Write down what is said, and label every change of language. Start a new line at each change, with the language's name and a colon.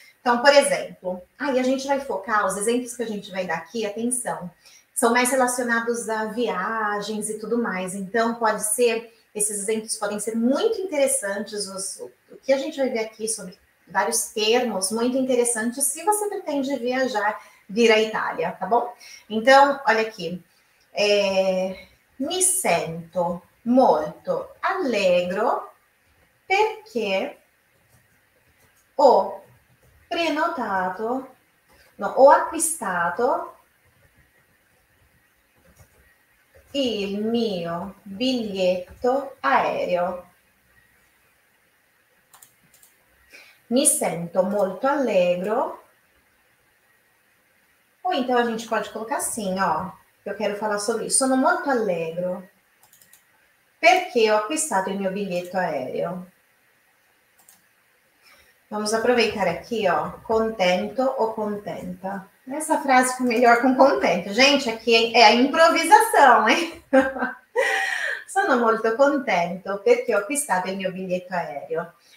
Portuguese: Então, por exemplo, aí a gente vai focar, os exemplos que a gente vai dar aqui, atenção, são mais relacionados a viagens e tudo mais. Então, pode ser, esses exemplos podem ser muito interessantes, o que a gente vai ver aqui sobre, vários termos muito interessantes se você pretende viajar, vir à Itália, tá bom? Então, olha aqui.
Italian: Mi sento molto allegro perché ho prenotato, no, ho acquistato il mio biglietto aereo. Mi sento molto allegro.
Portuguese: Ou então a gente pode colocar assim, ó. Eu quero falar sobre isso.
Italian: Sono molto allegro perché ho acquistato il mio biglietto aereo.
Portuguese: Vamos aproveitar aqui, ó. Contento ou contenta? Essa frase foi melhor com contento. Gente, aqui é a improvisação, hein?
Italian: Sono molto contento perché ho acquistato il mio biglietto aereo.